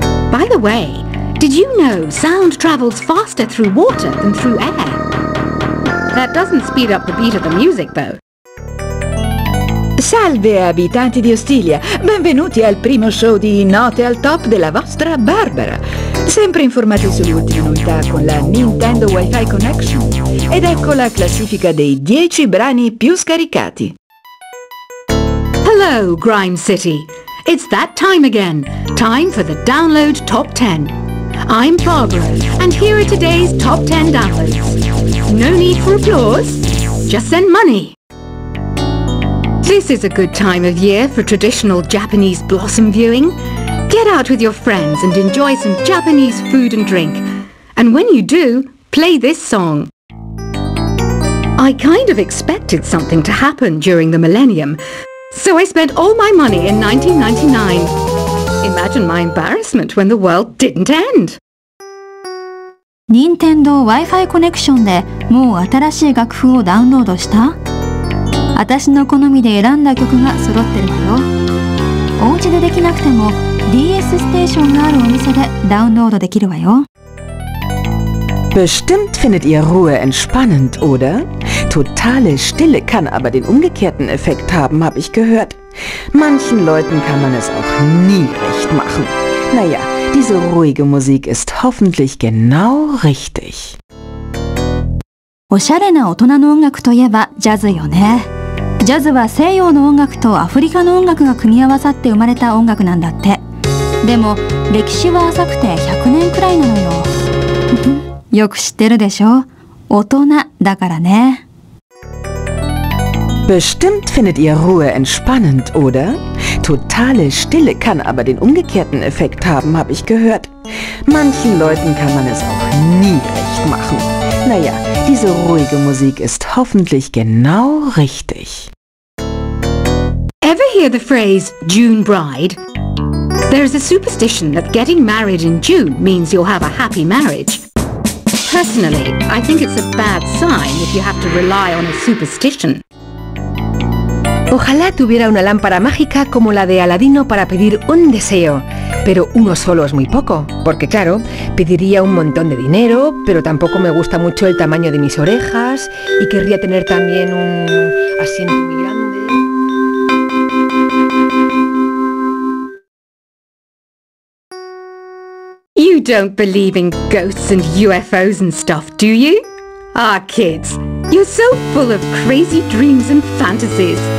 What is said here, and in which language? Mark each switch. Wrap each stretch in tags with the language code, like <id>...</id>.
<en>By the way, did you know sound travels faster through water than through air? That doesn't speed up the beat of the music though.</en> <it>Salve abitanti di Ostiglia, benvenuti al primo show di Note al Top della vostra Barbara. Sempre informati sull'ultima novità con la Nintendo Wi-Fi Connection. Ed ecco la classifica dei 10 brani più scaricati.</it> <en>Hello Grime City, it's that time again, time for the Download Top 10. I'm Barbara, and here are today's Top 10 downloads. No need for applause, just send money. This is a good time of year for traditional Japanese blossom viewing. Get out with your friends and enjoy some Japanese food and drink. And when you do, play this song. I kind of expected something to happen during the millennium, so I spent all my money in 1999. Imagine my embarrassment when the world didn't end.</en> <ja>Nintendo Wi-Fi コネクションでもう新しい楽譜をダウンロードした? 私の好みで選んだ曲が揃ってるのよ。お家でできなくても DS ステーションがあるお店でダウンロードできるわよ。</ja> <de>Bestimmt findet ihr Ruhe entspannend, oder? Totale Stille kann aber den umgekehrten Effekt haben, habe ich gehört. Manchen Leuten kann man es auch nie recht machen. Naja, diese ruhige Musik ist hoffentlich genau richtig.</de> <ja>おしゃれな大人の音楽といえばジャズよね。ジャズは西洋の音楽とアフリカの音楽が組み合わさって生まれた音楽なんだって。でも歴史は浅くて100年くらいなのよ。よく知ってるでしょ。大人だからね。</ja> <de>Bestimmt findet ihr Ruhe entspannend, oder? Totale Stille kann aber den umgekehrten Effekt haben, habe ich gehört. Manchen Leuten kann man es auch nie recht machen. Naja, diese ruhige Musik ist hoffentlich genau richtig.</de> <en>Ever hear the phrase June Bride? There is a superstition that getting married in June means you'll have a happy marriage. Personally, I think it's a bad sign if you have to rely on a superstition.</en> <es>Ojalá tuviera una lámpara mágica como la de Aladino para pedir un deseo, pero uno solo es muy poco, porque claro, pediría un montón de dinero, pero tampoco me gusta mucho el tamaño de mis orejas y querría tener también un asiento muy grande.</es> <en>You don't believe in ghosts and UFOs and stuff, do you? Ah, kids, you're so full of crazy dreams and fantasies.</en>